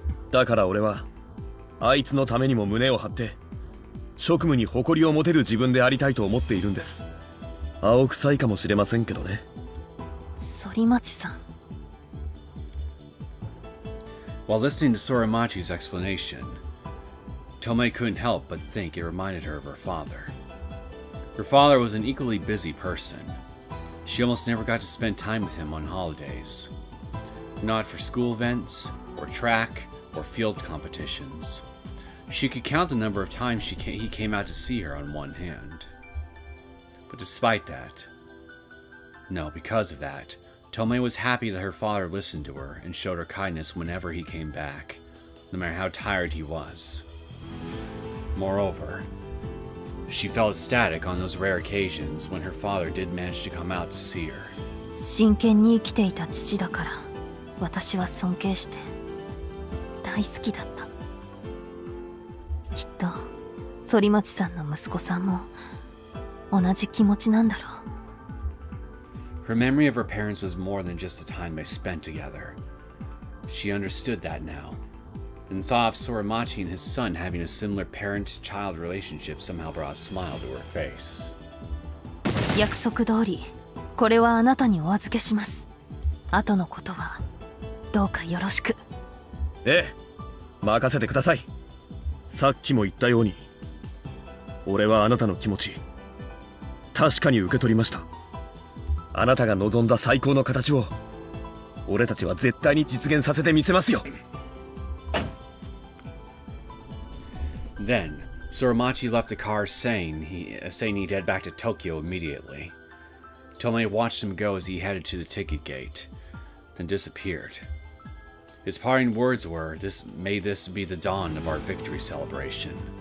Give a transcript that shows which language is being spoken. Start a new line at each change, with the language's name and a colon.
Japanese: だから俺はあいつのためにも胸を張って職務に誇りを持てる自分でありたいと思っているんです。青臭いかもしれませんけどね。ソリマチさん。
English: While listening to Sorimachi's explanation, Tomoe couldn't help but think it reminded her of her father. Her father was an equally busy person. She almost never got to spend time with him on holidays. Not for school events, or track, or field competitions. She could count the number of times he came out to see her on one hand. But despite that, no, because of that, Tomoe was happy that her father listened to her and showed her kindness whenever he came back, no matter how tired he was. Moreover, she felt ecstatic on those rare occasions when her father did manage to come out to see her.
Japanese: 真剣に生きていた父だから、私は尊敬して大好きだった。きっと、ソリマチさんの息子さんも同じ気持ちなんだろう。
English: Her memory of her parents was more than just the time they spent together. She understood that now. And the thought of Sorimachi and his son having a similar parent-child relationship somehow brought a smile to her face.
Japanese: 約束通り、これはあなたにお預けします。後のことは、どうかよろしく。ええ、任せてください。さっきも言ったように、俺はあなたの気持ち、確かに受け取りました。あなたが望んだ最高の形を、俺たちは絶対に実現させてみせますよ。
English: Then, Sorimachi left the car saying he'd head back to Tokyo immediately. Tomoe watched him go as he headed to the ticket gate, then disappeared. His parting words were, may this be the dawn of our victory celebration.